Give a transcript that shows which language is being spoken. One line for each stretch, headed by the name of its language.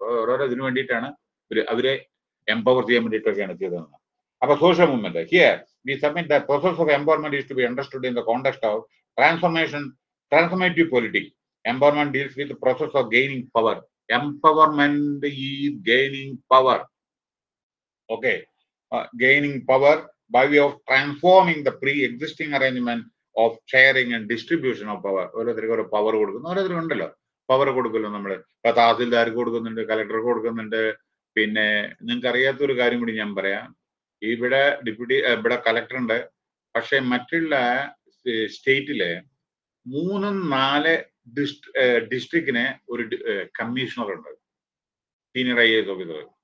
Malayalam: അപ്പൊ ഓരോരോ ഇതിനു വേണ്ടിയിട്ടാണ് അവരെ എംപവർ ചെയ്യാൻ വേണ്ടിയിട്ടൊക്കെയാണ് ചെയ്തതെന്ന്.
English: അപ്പൊ social movement here we submit the process of empowerment is to be understood in the context of transformation, transformative politics. Empowerment deals with process of gaining power. Empowerment ഈ gaining power, okay, gaining power by way of transforming the pre-existing arrangement of sharing and distribution of power.
Malayalam: ഓരോരുത്തർക്കൊരു power കൊടുക്കുന്നു, ഓരോരുത്തർ ഉണ്ടല്ലോ power കൊടുക്കുമല്ലോ. നമ്മൾ ഇപ്പൊ തഹസിൽദാർക്ക് കൊടുക്കുന്നുണ്ട്, കളക്ടർക്ക് കൊടുക്കുന്നുണ്ട്. പിന്നെ നിങ്ങൾക്ക് അറിയാത്ത ഒരു കാര്യം കൂടി ഞാൻ പറയാം, ഇവിടെ ഡെപ്യൂട്ടി ഇവിടെ കളക്ടർ ഉണ്ട്, പക്ഷെ മറ്റുള്ള സ്റ്റേറ്റിലെ 3-4 ഡിസ്ട്രിക്റ്റിനെ ഒരു കമ്മീഷണറുണ്ട്, സീനിയർ IAS ഓഫീസർ.